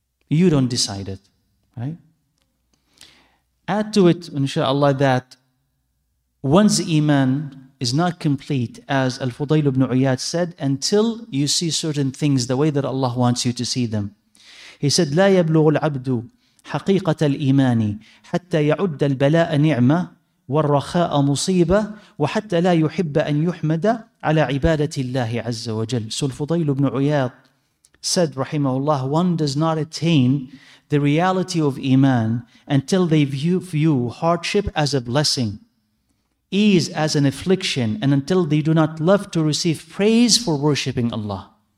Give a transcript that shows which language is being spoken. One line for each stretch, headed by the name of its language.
English: You don't decide it, right? Add to it, inshallah, that one's iman is not complete, as Al-Fudayl ibn Uyad said, until you see certain things the way that Allah wants you to see them. He said,
Arabic: لا يبلغ العبد حقيقة الإيمان حتى يعد البلاء نعمة والرخاء مصيبة وحتى لا يحب أن يحمد على عبادة الله عز وجل.
English: So الفضيل بن عياض said,
Arabic: رحمه الله,
English: one does not attain the reality of Iman until they view hardship as a blessing, ease as an affliction, and until they do not love to receive praise for worshipping Allah.